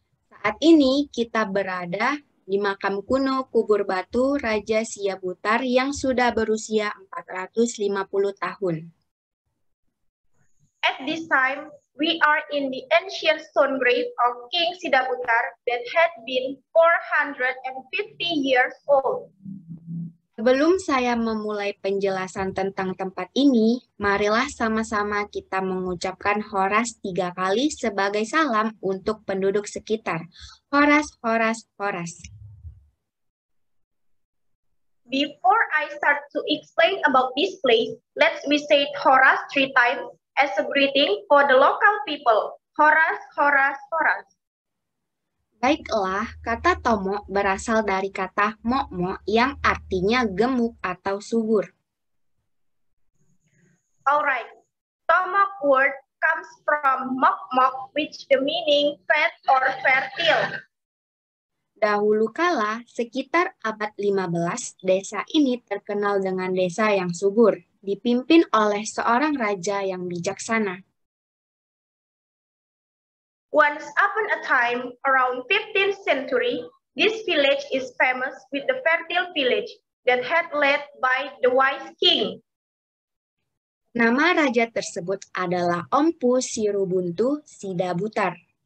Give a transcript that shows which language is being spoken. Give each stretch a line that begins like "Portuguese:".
Indonesian: Saat ini kita berada di makam kuno Kubur Batu Raja Siabutar yang sudah berusia 450 tahun.
English: At this time, we are in the ancient stone grave of King Siddhabutar that had been 450 years old.
Indonesian: Sebelum saya memulai penjelasan tentang tempat ini, marilah sama-sama kita mengucapkan Horas 3 kali sebagai salam untuk penduduk sekitar. Horas, Horas, Horas.
English: Before I start to explain about this place, let me say Horas 3 times. As a greeting for the local people, Horas, Horas, Horas.
Indonesian: Baiklah, kata Tomo berasal dari kata mo-mo yang artinya gemuk atau subur.
English: Alright, Tomok word comes from mok-mok, which the meaning fat or fertile.
Indonesian: Dahulu kala, sekitar abad 15, desa ini terkenal dengan desa yang subur, dipimpin oleh seorang raja yang bijaksana.
English: Once upon a time, around 15th century, this village is famous with the fertile village that had led by the wise king.
Indonesian: Nama raja tersebut adalah Ompu Sirubuntu Siddhabutar.